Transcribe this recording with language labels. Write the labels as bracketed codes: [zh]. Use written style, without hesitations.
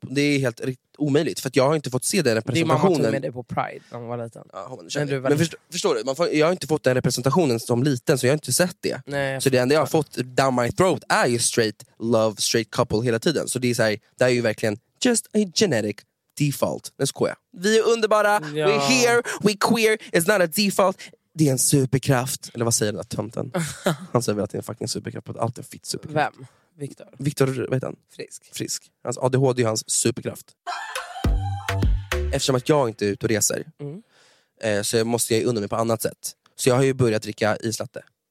[sv] Det är helt omöjligt, för att jag har inte fått se den representationen. Din mamma tog med dig på Pride när hon var liten. Men förstår du, jag har inte fått den representationen som liten, så jag har inte sett det. Nej, så det enda jag har fått [en] down my throat [sv] är ju [en] straight love, straight couple [sv] hela tiden. Så det är, så här, det är ju verkligen [en] just a genetic default. [sv] Vi är underbara, ja. [en] We're here, we're queer, it's not a default. [sv] Det är en superkraft. Eller vad säger den där tömten? Han säger väl att det är en fucking superkraft. Allt är en fit superkraft. Vem? Viktor? Viktor, vad heter han? Frisk. Frisk. Hans ADHD är hans superkraft. Eftersom att jag inte är ute och reser. Så måste jag undra mig på annat sätt. Så jag har ju börjat dricka islatte.